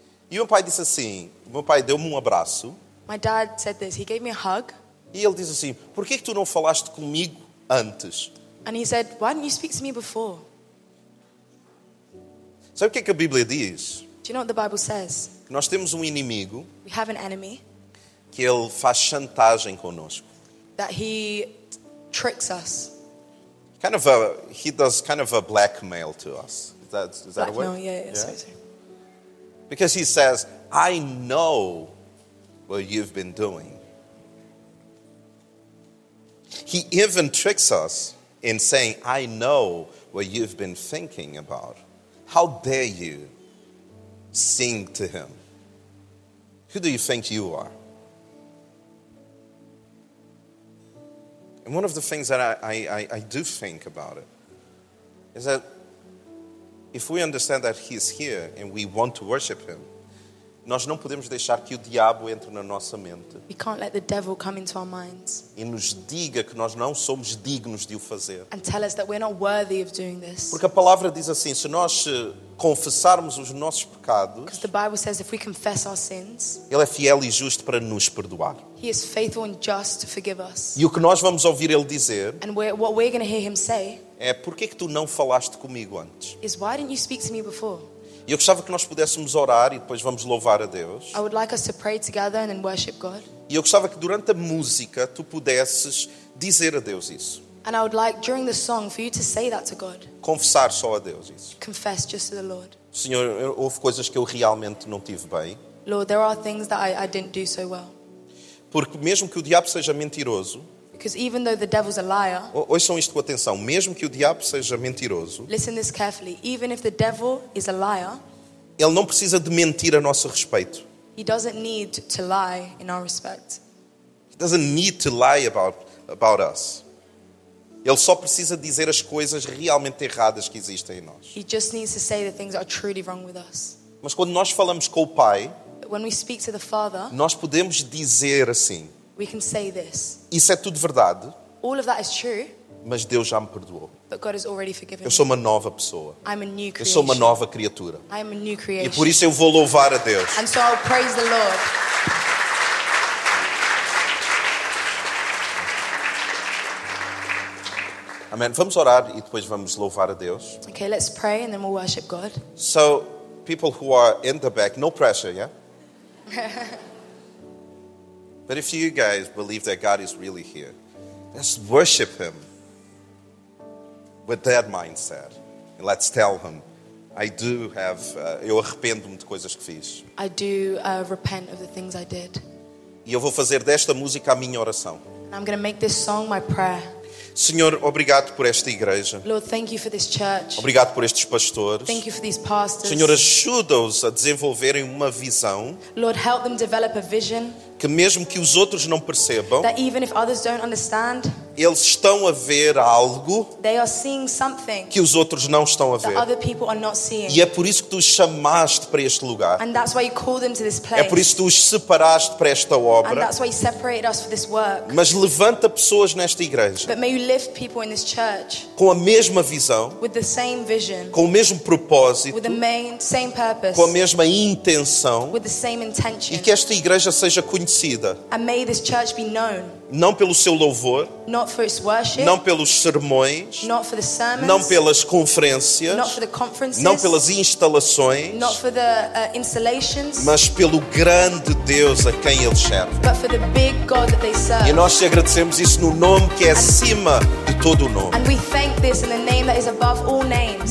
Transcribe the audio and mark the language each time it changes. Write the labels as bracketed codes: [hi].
[pt] E o meu pai disse assim, o meu pai deu-me um abraço. [en] My dad said this, he gave me a hug. [pt] E ele disse assim, por que tu não falaste comigo antes? [en] And he said, why didn't you speak to me before? [pt] Sabe o que é que a Bíblia diz? [en] Do you know what the Bible says? [pt] Nós temos um inimigo. [en] We have an enemy. [pt] Que ele faz chantagem connosco. [en] That he tricks us. Kind of a, he does kind of a blackmail to us. Is that a word? Blackmail, yeah. Sorry. Because he says, I know what you've been doing. He even tricks us in saying, I know what you've been thinking about. How dare you sing to him? Who do you think you are? And one of the things that I do think about it is that if we understand that he is here and we want to worship him, nós não podemos deixar que o diabo entre na nossa mente. We can't let the devil come into our minds. [pt] E nos diga que nós não somos dignos de o fazer. [en] And tell us that we're not worthy of doing this. [pt] Porque a palavra diz assim, se nós confessarmos os nossos pecados, [en] because the Bible says if we confess our sins, [pt] ele é fiel e justo para nos perdoar. [en] He is faithful and just to forgive us. [pt] E o que nós vamos ouvir ele dizer, [en] and what we're going to hear him say, [pt] é porque é que tu não falaste comigo antes? [en] Is why didn't you speak to me before? [pt] E eu gostava que nós pudéssemos orar e depois vamos louvar a Deus. [en] I would like us to pray together and then worship God. [pt] E eu gostava que durante a música tu pudesses dizer a Deus isso. [en] And I would like during the song for you to say that to God. [pt] Confessar só a Deus isso. [en] Confess just to the Lord. [pt] Senhor, houve coisas que eu realmente não tive bem. [en] Lord, there are things that I didn't do so well. [pt] Porque mesmo que o diabo seja mentiroso, [en] because even though the devil's a liar, [pt] ouçam isto com atenção, mesmo que o diabo seja mentiroso, [en] listen this carefully, even if the devil is a liar, [pt] ele não precisa de mentir a nosso respeito. [en] He doesn't need to lie in our respect. He doesn't need to lie about us. [pt] Ele só precisa dizer as coisas realmente erradas que existem em nós. [en] He just needs to say the things that are truly wrong with us. [pt] Mas quando nós falamos com o Pai, [en] but when we speak to the Father, [pt] nós podemos dizer assim, [en] we can say this. [pt] Isso é tudo verdade. [en] All of that is true. [pt] Mas Deus já me perdoou. [en] But God has already forgiven [pt] me. Eu sou uma nova pessoa. [en] I'm a new creation. [pt] Eu sou uma nova criatura. [en] I'm a new creation. [pt] E por isso eu vou louvar a Deus. [en] And so I'll praise the Lord. [pt] Amém. Vamos orar e depois vamos louvar a Deus. [en] Okay, let's pray and then we'll worship God. So, people who are in the back, no pressure, yeah? But if you guys believe that God is really here, let's worship Him with that mindset. And let's tell Him, I do have, eu arrependo-me de coisas que fiz. I do repent of the things I did. [pt] E eu vou fazer desta música a minha oração. [en] And I'm going to make this song my prayer. [pt] Senhor, obrigado por esta igreja. [en] Lord, thank you for this church. [pt] Obrigado por estes pastores. [en] Thank you for these pastors. [pt] Senhor, ajuda-os a desenvolverem uma visão. [en] Lord, help them develop a vision. [pt] Que mesmo que os outros não percebam, [en] that even if others don't understand, [pt] eles estão a ver algo, [en] they are seeing something [pt] que os outros não estão a ver. [en] That other people are not seeing. [pt] E é por isso que tu os chamaste para este lugar. [en] And that's why you called them to this place. [pt] É por isso que tu os separaste para esta obra. [en] And that's why you separated us for this work. [pt] Mas levanta pessoas nesta igreja. [en] But may you lift people in this church. [pt] Com a mesma visão. [en] With the same vision. [pt] Com o mesmo propósito. [en] With the main, same purpose. [pt] Com a mesma intenção. [en] With the same intention. [pt] E que esta igreja seja conhecida. [en] And may this church be known. [pt] Não pelo seu louvor, [en] not for its worship, [pt] não pelos sermões, [en] not for the sermons, [pt] não pelas conferências, [en] not for the conferences, [pt] não pelas instalações, [en] not for the, installations, [pt] mas pelo grande Deus a quem eles servem. [en] But for the big God that they serve. [pt] E nós te agradecemos isso no nome que é acima de todo o nome. [en] And we thank this in the name that is above all names.